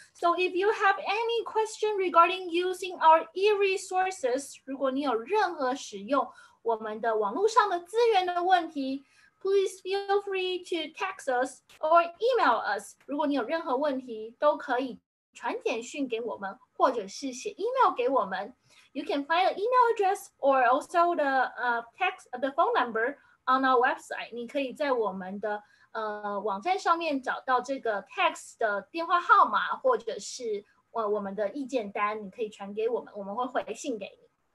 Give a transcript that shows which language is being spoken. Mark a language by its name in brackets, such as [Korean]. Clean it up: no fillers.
[English] So if you have any question regarding using our e-resources, [Chinese] 如果你有任何使用我们的网络上的资源的问题， [English] Please feel free to text us or email us. [Chinese] 如果你有任何问题，都可以传简讯给我们，或者是写 email 给我们。 [English] You can find an email address or also the text, the phone number on our website. [Chinese] 你可以在我们的网站上面找到这个 text 的电话号码，或者是我们的意见单，你可以传给我们，我们会回信给你。